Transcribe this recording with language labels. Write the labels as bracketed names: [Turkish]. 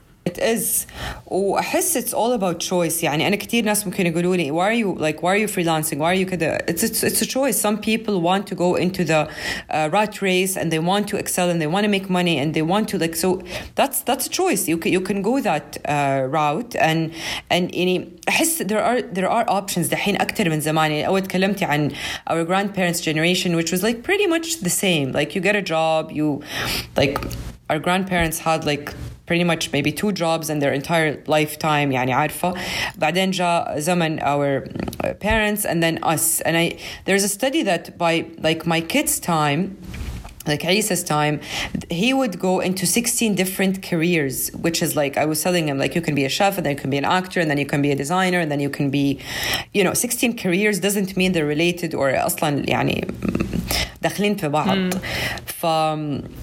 [English] It is. Oh, I guess it's all about choice. [Arabic] يعني أنا كتير ناس ممكن يقولوا لي, [English] why are you like, why are you freelancing? Why are you [Arabic] كده? [English] It's a choice. Some people want to go into the rat race and they want to excel and they want to make money and they want to like, so that's a choice. You can go that route and any. [Arabic] أحس [English] there are options [Arabic] دحين أكتر من زمان. يعني أول تكلمتي عن [English] our grandparents' generation, which was like pretty much the same. Like you get a job, you like our grandparents had like pretty much maybe two jobs in their entire lifetime. [Arabic] يعني عارفة. بعدين جاء زمن [English] our parents and then us. And there's a study that by like my kids' time, like Isa's time, he would go into 16 different careers, which is like, I was telling him, like, you can be a chef and then you can be an actor and then you can be a designer and then you can be, you know, 16 careers doesn't mean they're related or [Arabic] أصلاً يعني دخلين في بعض.